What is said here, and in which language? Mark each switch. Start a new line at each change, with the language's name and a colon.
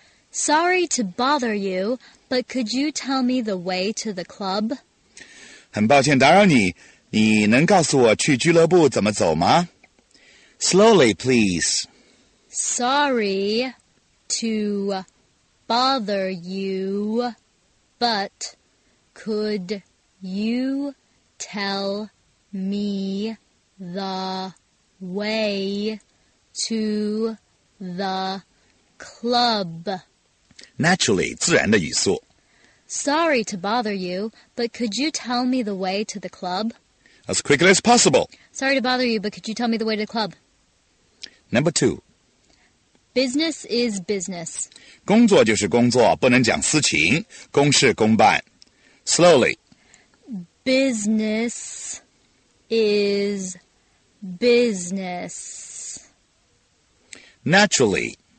English: Sorry to bother you, but could you tell me the way to the club?
Chinese: 很抱歉打扰你，你能告诉我去俱乐部怎么走吗？
English: Slowly, please. Sorry to bother you, but could you tell me the way to the club? Naturally,
Chinese: 自然的语速。
English: Sorry to bother you, but could you tell me the way to the club? As quickly as possible. Sorry to bother you, but could you tell me the way to the club? Number 2. Business is business.
Chinese: 工作就是工作，不能讲私情，公事公办。
English: Slowly. Business is business. Naturally.